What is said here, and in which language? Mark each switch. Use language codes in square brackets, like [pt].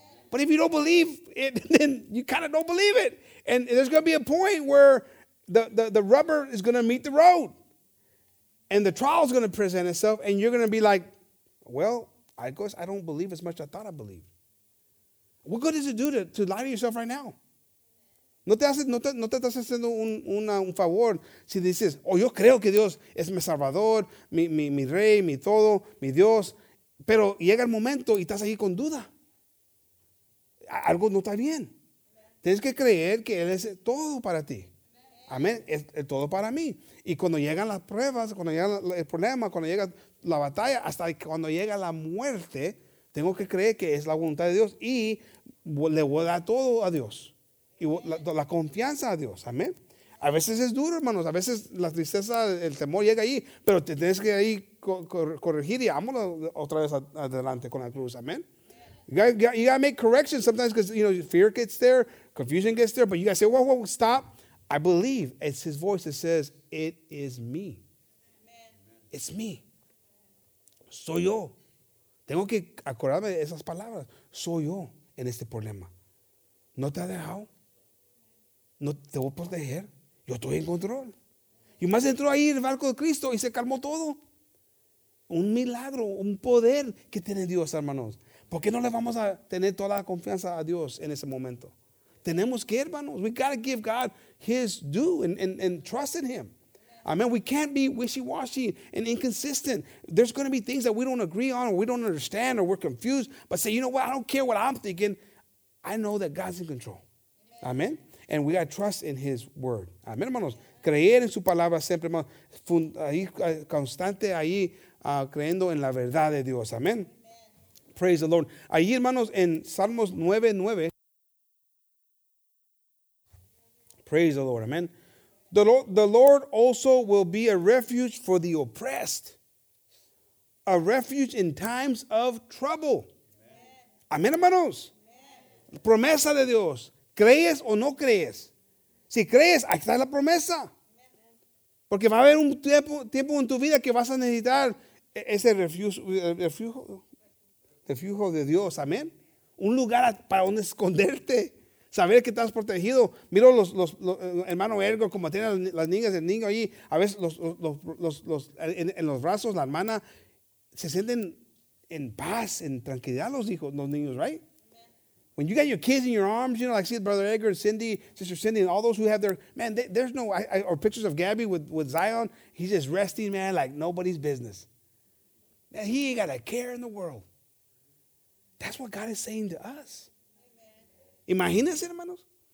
[en] But if you don't believe it, then you kind of don't believe it. And there's going to be a point where the rubber is going to meet the road. And the trial is going to present itself. And you're going to be like, well, I guess I don't believe as much as I thought I believed. What good does it do to lie to yourself right now? [es] No te estás haciendo un favor si dices, oh, yo creo que Dios es mi salvador, mi rey, mi todo, mi Dios. Pero llega el momento y estás ahí con duda. Algo no está bien. Tienes que creer que Él es todo para ti. Amén. Es todo para mí. Y cuando llegan las pruebas, cuando llega el problema, cuando llega la batalla, hasta cuando llega la muerte, tengo que creer que es la voluntad de Dios y le voy a dar todo a Dios. Y la confianza a Dios, amén. A veces es duro, hermanos. A veces la tristeza, el temor llega ahí, pero te tienes que ahí corregir y vámonos otra vez adelante con la cruz, amén. [en] You gotta make corrections sometimes because, you know, fear gets there, confusion gets there, but you gotta say, whoa, stop. I believe it's his voice that says, it is me. Amen. It's me. [es] Soy yo. Tengo que acordarme de esas palabras. Soy yo en este problema. No te ha dejado. No te voy a proteger. Yo estoy en control. Y más entró ahí en el barco de Cristo y se calmó todo. Un milagro, un poder que tiene Dios, hermanos. ¿Por qué no le vamos a tener toda la confianza a Dios en ese momento? Tenemos que, hermanos. [en] We got to give God his due and trust in him. Amen. We can't be wishy-washy and inconsistent. There's going to be things that we don't agree on or we don't understand or we're confused. But say, you know what? I don't care what I'm thinking. I know that God's in control. Amen. And we got to trust in his word. [es] Amén, hermanos. Creer en su palabra siempre, hermanos. Constante ahí, creyendo en la verdad de Dios. Amén. [en] Praise the Lord. [es] Ahí, hermanos, en Salmos 9:9. [en] Praise the Lord. Amén. The Lord also will be a refuge for the oppressed. A refuge in times of trouble. [es] Amén, hermanos. [en] Amen. [es] Promesa de Dios. ¿Crees o no crees? Si crees, aquí está la promesa. Porque va a haber un tiempo en tu vida que vas a necesitar ese refugio de Dios. Amén. Un lugar para donde esconderte. Saber que estás protegido. Miro los hermano Ergo, como tiene las niñas, el niño ahí. A veces los en los brazos, la hermana, se sienten en paz, en tranquilidad los hijos, los niños, right? [en] When you got your kids in your arms, you know, like see Brother Edgar, Cindy, Sister Cindy, and all those who have their, man, there's no, or pictures of Gabby with Zion. He's just resting, man, like nobody's business. Man, he ain't got a care in the world. That's what God is saying to us. Amen. [es] Imagínense, hermanos.